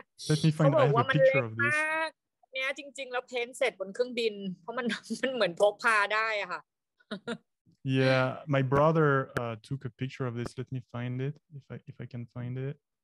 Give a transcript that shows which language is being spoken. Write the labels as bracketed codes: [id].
[en] Let me find I have a picture of this. [th] เนี่ยจริงๆแล้วเพ้นท์เสร็จบนเครื่องบินเพราะมันเหมือนพกพาได้ค่ะ [en] Yeah, my brother took a picture of this. Let me find it if I can find it.